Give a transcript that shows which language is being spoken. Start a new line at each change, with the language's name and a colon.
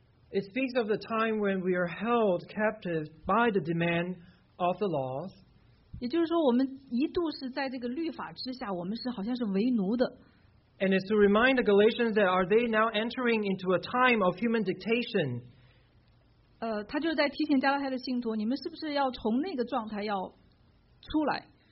English: It speaks of the time when we are held captive by the demand of the laws.
Chinese: 也就是说，我们一度是在这个律法之下，我们是好像是为奴的。
English: And it's to remind the Galatians that are they now entering into a time of human dictation?
Chinese: 他就在提醒加拉太的信徒，你们是不是要从那个状态要出来？